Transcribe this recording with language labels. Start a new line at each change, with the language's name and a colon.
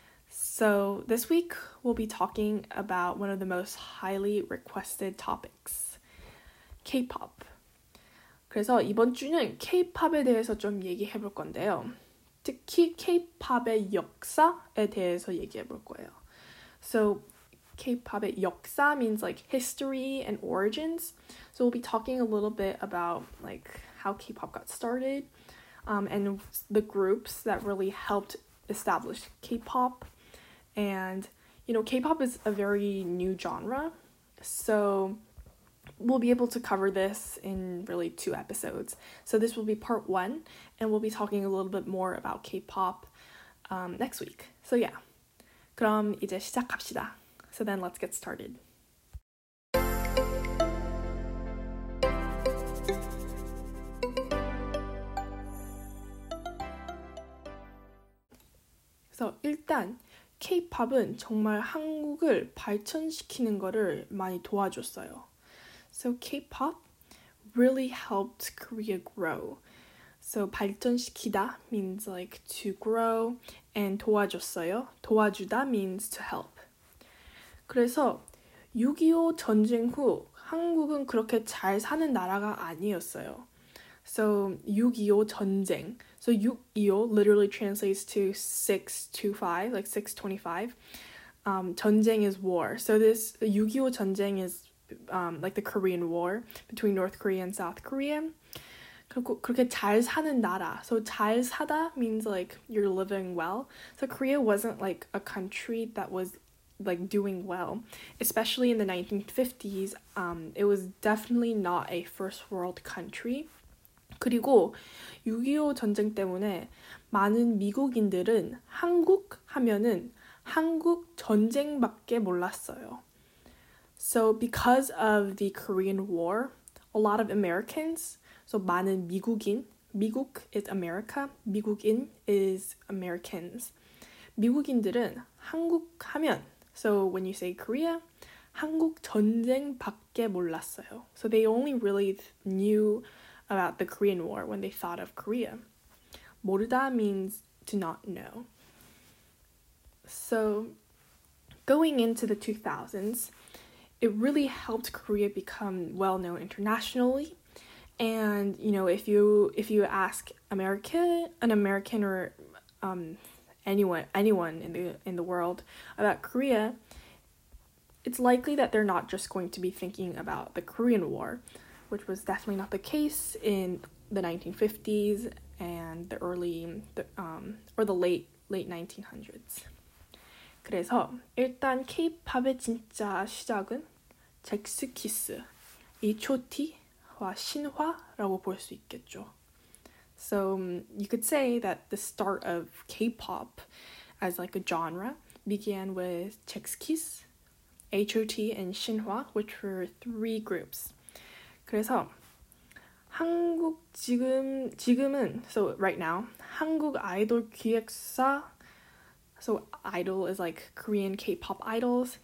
English: So this week we'll be talking about one of the most highly requested topics, K-pop.
Korean: 그래서 이번 주는 K-pop에 대해서 좀 얘기해 볼 건데요. 특히 K-pop의 역사에 대해서 얘기해 볼 거예요.
English: So
Korean: K-pop의 역사
English: means like history and origins. So we'll be talking a little bit about like how K-pop got started. And the groups that really helped establish K-pop. And, you know, K-pop is a very new genre. So we'll be able to cover this in really two episodes. So this will be part one, and we'll be talking a little bit more about K-pop next week. So yeah,
Korean: 그럼 이제 시작합시다.
English: So then let's get started.
Korean: So, 일단 K-pop은 정말 한국을 발전시키는 거를 많이 도와줬어요.
English: So K-pop really helped Korea grow. So 발전시키다 means like to grow and 도와줬어요. 도와주다 means to help.
Korean: 그래서 6.25 전쟁 후 한국은 그렇게 잘 사는 나라가 아니었어요.
English: So
Korean: 6.25 전쟁.
English: So 6.25 literally translates to 6-5, like 6-25. 전쟁 is war. So this
Korean: 6.25 전쟁
English: is like the Korean War between North Korea and South Korea.
Korean: 그렇게 잘 사는 나라.
English: So
Korean: 잘 사다
English: means like you're living well. So Korea wasn't like a country that was like doing well, especially in the 1950s. It was definitely not a first world country.
Korean: 그리고 6.25 전쟁 때문에 많은 미국인들은 한국 하면은 한국 전쟁밖에 몰랐어요.
English: So because of the Korean War, a lot of Americans, so
Korean: 많은 미국인,
English: 미국 is America, 미국인 is Americans.
Korean: 미국인들은 한국 하면,
English: so when you say Korea,
Korean: 한국 전쟁밖에 몰랐어요.
English: So they only really knew about the Korean War when they thought of Korea. 모르다 means to not know. So going into the 2000s, it really helped Korea become well known internationally. And you know, if you ask an American or anyone in the world about Korea, it's likely that they're not just going to be thinking about the Korean War, which was definitely not the case in the 1950s and the early, late 1900s.
Korean: 그래서 일단 K-pop의 진짜 시작은 잭스키스, 이초티와 신화라고 볼 수 있겠죠.
English: So you could say that the start of K-pop as like a genre began with Jackskiss, H.O.T. and Shinhwa, which were three groups.
Korean: 그래서 한국 지금은
English: so right now
Korean: 한국 아이돌 기획사
English: so idol is like Korean K-pop idols.